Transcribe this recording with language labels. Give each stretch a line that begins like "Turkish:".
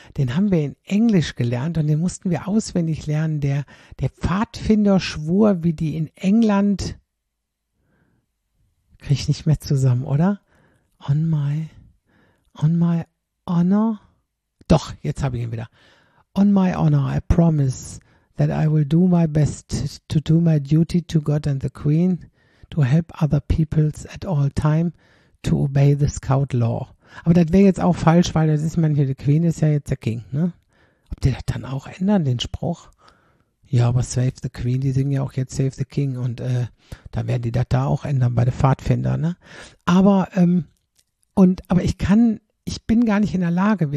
German: Den haben wir in Englisch gelernt und den mussten wir auswendig lernen. Der Pfadfinder schwur, wie die in England. Kriege ich nicht mehr zusammen, oder?
English: On my honor,
German: doch, jetzt habe ich ihn wieder.
English: On my honor, I promise that I will do my best to do my duty to God and the Queen, to help other peoples at all time, to obey the Scout Law.
German: Aber das wäre jetzt auch falsch, weil das ist manchmal, die Queen ist ja jetzt der King, ne? Ob die das dann auch ändern, den Spruch? Ja, aber
English: Save the Queen,
German: die singen ja auch jetzt
English: Save the King
German: und da werden die das da auch ändern bei den Pfadfindern, ne? Aber, ich bin gar nicht in der Lage.